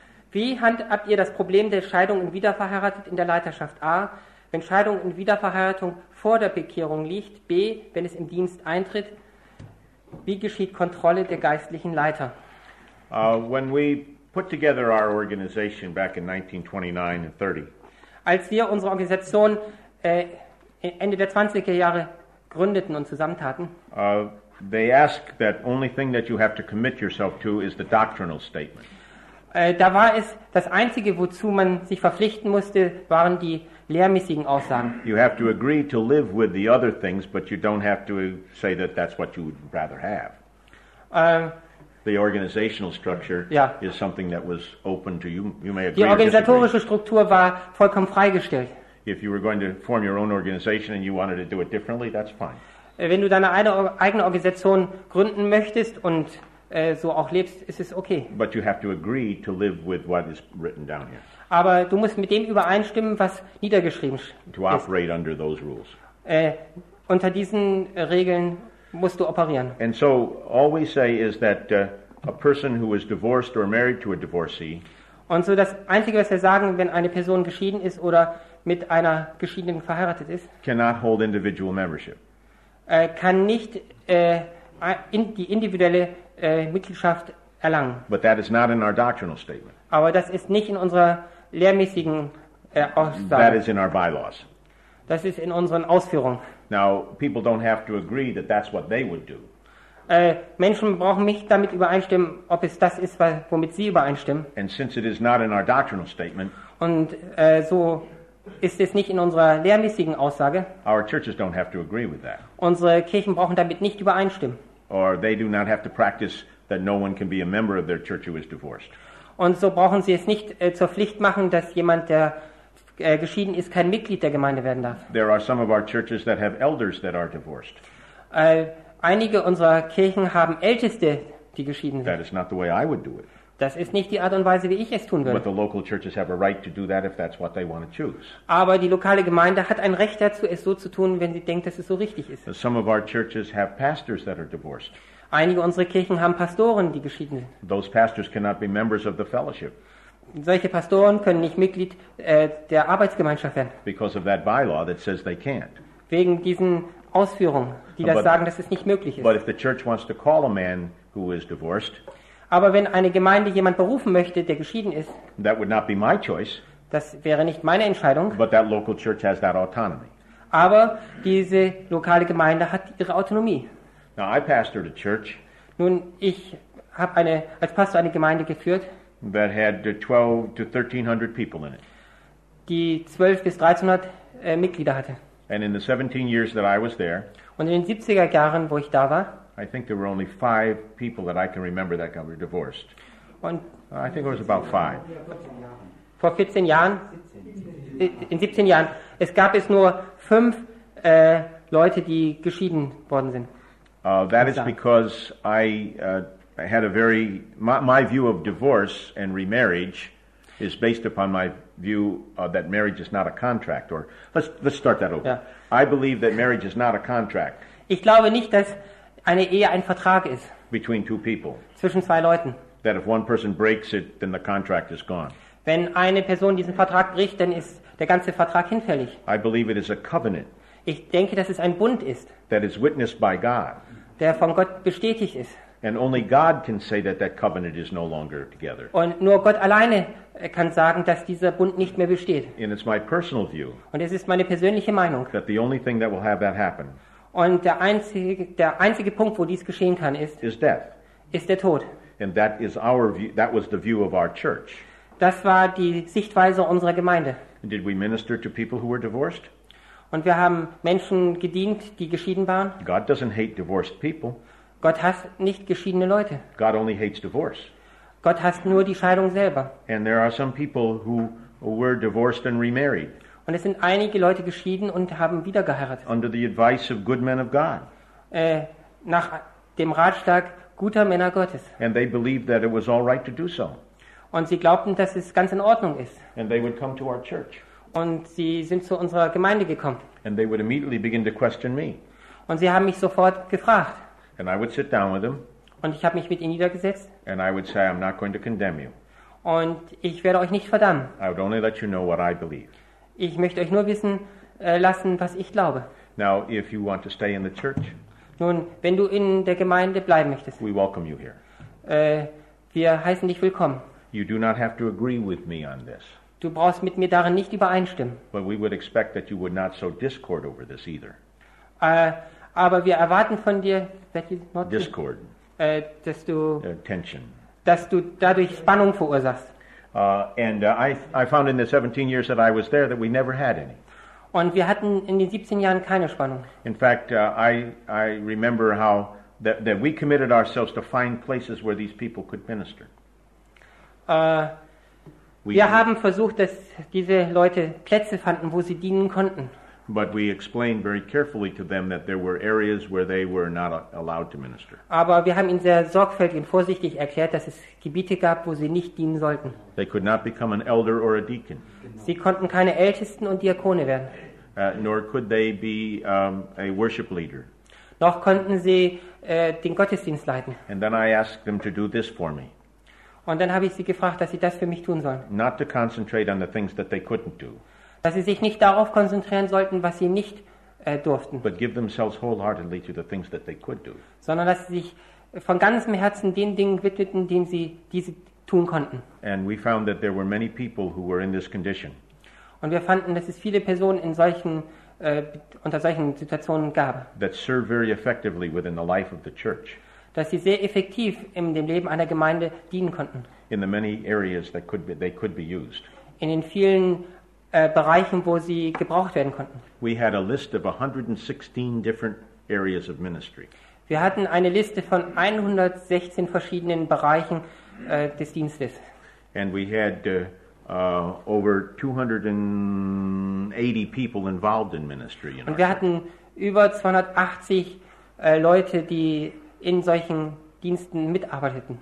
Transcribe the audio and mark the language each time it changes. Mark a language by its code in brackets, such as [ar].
[de] Wie handhabt ihr das Problem der Scheidung und Wiederverheiratung in der Leiterschaft? A, wenn Scheidung und Wiederverheiratung vor der Bekehrung liegt. B, wenn es im Dienst eintritt. Wie geschieht Kontrolle der geistlichen Leiter? [en] When we put together our organization back in 1929 and 30. [de] Als wir unsere Organisation Ende der 20er Jahre gründeten und zusammentaten. [en] They ask that only thing that you have to commit yourself to is the doctrinal statement. [de] Da war es das einzige, wozu man sich verpflichten musste, waren die lehrmäßigen Aussagen. [en] You have to agree to live with the other things, but you don't have to say that that's what you would rather have. The organizational structure is something that was open to you. You may agree. [de] Die organisatorische Struktur war vollkommen freigestellt. [en] If you were going to form your own organization and you wanted to do it differently, that's fine. [de] Wenn du deine eigene Organisation gründen möchtest und so auch lebst, ist es okay. [en] But you have to agree to live with what is written down here. [de] Aber du musst mit dem übereinstimmen, was niedergeschrieben ist. [en] To operate under those rules. [de] Unter diesen Regeln musst du operieren. [en] And so all we say is that a person who is divorced or married to a divorcee. [de] Und so das einzige, was wir sagen, wenn eine Person geschieden ist oder mit einer Geschiedenen verheiratet ist, [en] cannot hold individual membership. [de] Kann nicht die individuelle Mitgliedschaft erlangen. [en] But that is not in our doctrinal statement. [de] Aber das ist nicht in unserer lehrmäßigen Aussage. [en] That is in our bylaws. [de] Das ist in unseren Ausführungen. [en] Now, people don't have to agree that that's what they would do. [de] Menschen brauchen nicht damit übereinstimmen, ob es das ist, womit sie übereinstimmen. [en] And since it is not in our doctrinal statement, [de] und so ist es nicht in unserer lehrmäßigen Aussage, [en] our churches don't have to agree with that. [de] Unsere Kirchen brauchen damit nicht übereinstimmen. [en] Or they do not have to practice that no one can be a member of their church who is divorced. [de] Und so brauchen sie es nicht zur Pflicht machen, dass jemand, der geschieden ist, kein Mitglied der Gemeinde werden darf. [en] There are some of our churches that have elders that are divorced. [de] Einige unserer Kirchen haben Älteste, die geschieden sind. [en] That is not the way I would do it. [de] Das ist nicht die Art und Weise, wie ich es tun würde. [en] But the local churches have a right to do that if that's what they want to choose. [de] Aber die lokale Gemeinde hat ein Recht dazu, es so zu tun, wenn sie denkt, dass es so richtig ist. [en] Some of our churches have pastors that are divorced. [de] Einige unserer Kirchen haben Pastoren, die geschieden sind. [en] Those pastors cannot be members of the fellowship. [de] Solche Pastoren können nicht Mitglied der Arbeitsgemeinschaft werden. [en] Because of that bylaw that says they can't. [de] Wegen diesen Ausführungen, die das sagen, dass es nicht möglich ist. [en] But if the church wants to call a man who is divorced, [de] aber wenn eine Gemeinde jemand berufen möchte, der geschieden ist, [en] that would not be my choice, [de] das wäre nicht meine Entscheidung. [en] But that local church has that autonomy. [de] Aber diese lokale Gemeinde hat ihre Autonomie. [en] Now I pastored a church. [de] Nun, ich habe eine als Pastor eine Gemeinde geführt. [en] That had 1200 to 1300 people in it. [de] Die 12 bis 1300 Mitglieder hatte. [en] And in the 17 years that I was there. [de] Und in den 70er Jahren, wo ich da war. [en] I think there were only 5 people that I can remember that got divorced. [de] Und [en] I think it was about 5. [de] Vor 14 Jahren. In 17 Jahren. Es gab es nur 5 Leute, die geschieden worden sind. [en] That is because I had a very my view of divorce and remarriage is based upon my view that marriage is not a contract. Or let's start that over. Yeah. I believe that marriage is not a contract. [de] Ich glaube nicht, dass eine Ehe ein Vertrag ist. [en] Between two people. [de] Zwischen zwei Leuten. [en] That if one person breaks it, then the contract is gone. [de] Wenn eine Person diesen Vertrag bricht, dann ist der ganze Vertrag hinfällig. [en] I believe it is a covenant. [de] Ich denke, dass es ein Bund ist. [en] That is witnessed by God. [de] Der von Gott bestätigt ist. [en] And only God can say that that covenant is no longer together. [de] Und nur Gott alleine kann sagen, dass dieser Bund nicht mehr besteht. [en] And it's my personal view. [de] Und es ist meine persönliche Meinung. [en] That the only thing that will have that happen. [de] Und der einzige Punkt, wo dies geschehen kann, ist. [en] Is death. [de] Ist der Tod. [en] And that is our view. That was the view of our church. [de] Das war die Sichtweise unserer Gemeinde. [en] And did we minister to people who were divorced? [de] Und wir haben Menschen gedient, die geschieden waren. [en] God doesn't hate divorced people. [de] Gott hasst nicht geschiedene Leute. [en] God only hates divorce. [de] Gott hasst nur die Scheidung selber. [en] And there are some people who were divorced and remarried. [de] Und es sind einige Leute geschieden und haben wieder geheiratet. [en] Under the advice of good men of God. [de] Nach dem Ratschlag guter Männer Gottes. [en] And they believed that it was all right to do so. [de] Und sie glaubten, dass es ganz in Ordnung ist. [en] And they would come to our church. [de] Und sie sind zu unserer Gemeinde gekommen. [en] And they would immediately begin to question me. [de] Und sie haben mich sofort gefragt. [en] And I would sit down with them. [de] Und ich habe mich mit ihnen niedergesetzt. [en] And I would say, I'm not going to condemn you. [de] Und ich werde euch nicht verdammen. [en] I would only let you know what I believe. [de] Ich möchte euch nur wissen lassen, was ich glaube. [en] Now, if you want to stay in the church. [de] Nun, wenn du in der Gemeinde bleiben möchtest. [en] We welcome you here. [de] Wir heißen dich willkommen. [en] You do not have to agree with me on this. [de] Du brauchst mit mir darin nicht übereinstimmen. [en] But we would expect that you would not sow discord over this either. [de] Aber wir erwarten von dir, [en] discord. [de] Dass du [en] tension. [de] Dass du dadurch Spannung verursachst. [en] I found in the 17 years that I was there that we never had any. [de] Und wir hatten in den 17 Jahren keine Spannung. [en] In fact, I remember how that we committed ourselves to find places where these people could minister. [de] Wir haben versucht, dass diese Leute Plätze fanden, wo sie dienen konnten. [en] But we explained very carefully to them that there were areas where they were not allowed to minister. [de] Aber wir haben ihnen sehr sorgfältig und vorsichtig erklärt, dass es Gebiete gab, wo sie nicht dienen sollten. [en] They could not become an elder or a deacon. [de] Sie konnten keine Ältesten und Diakone werden. [en] Nor could they be a worship leader. [de] Noch konnten sie den Gottesdienst leiten. [en] And then I asked them to do this for me. [de] Und dann habe ich sie gefragt, dass sie das für mich tun sollen. [en] Not to concentrate on the things that they couldn't do. [de] Dass sie sich nicht darauf konzentrieren sollten, was sie nicht durften. [en] But give themselves wholeheartedly to the things that they could do. [de] Sondern dass sie sich von ganzem Herzen den Dingen widmeten, die sie tun konnten. [en] And we found that there were many people who were in this condition. [de] Und wir fanden, dass es viele Personen unter solchen Situationen gab. [en] That served very effectively within the life of the church. [de] Dass sie sehr effektiv in dem Leben einer Gemeinde dienen konnten. [en] In the many areas that could be used. [de] In den vielen Bereichen, wo sie gebraucht werden konnten. [en] We had a list of 116 different areas of ministry. [de] Wir hatten eine Liste von 116 verschiedenen Bereichen des Dienstes. [en] And we had over 280 people involved in ministry. [de] In und wir hatten über 280 Leute, die in solchen Diensten mitarbeiteten.